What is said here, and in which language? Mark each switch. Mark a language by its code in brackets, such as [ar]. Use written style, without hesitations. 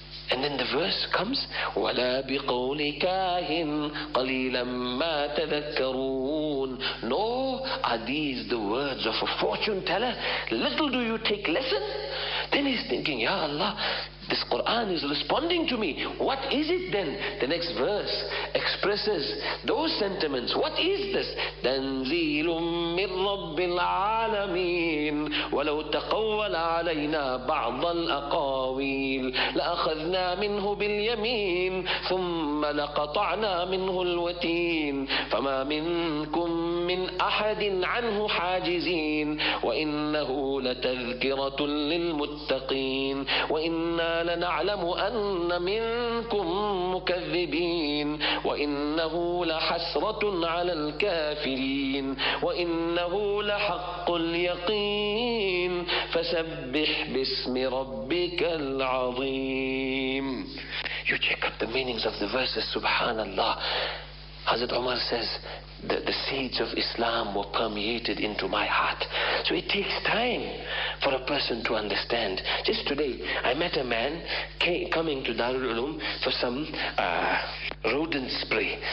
[en] And then the verse comes, [ar] وَلَا بِقَوْلِ كَاهِنْ قَلِيلًا مَا تَذَكَّرُونَ. [en] No, are these the words of a fortune teller? Little do you take lesson? Then he's thinking, Ya Allah, this Quran is responding to me. What is it then? The next verse expresses those sentiments. What is this? [ar] تَنْزِيلٌ مِّن رَبِّ الْعَالَمِينَ وَلَوْ تَقَوَّلَ عَلَيْنَا بَعْضَ الْأَقَاوِيلِ لَأَخَذْنَا مِنْهُ بِالْيَمِينِ ثُمَّ لَقَطَعْنَا مِنْهُ الْوَتِينَ فَمَا مِنْكُمْ مِّنْ أَحَدٍ عَنْهُ حَاجِزِينَ وَإِنَّهُ لَتَذْكِرَةٌ لِلْمُتَّقِينَ وَإِنَّ لنعلم أن منكم مكذبين وإنه لحسرة على الكافرين وإنه لحق اليقين فسبح باسم ربك العظيم. [en] You check up the meanings of the verses, subhanallah. Hazrat Umar says, the seeds of Islam were permeated into my heart. So it takes time for a person to understand. Just today, I met a man coming to Darul Uloom for some rodent spray.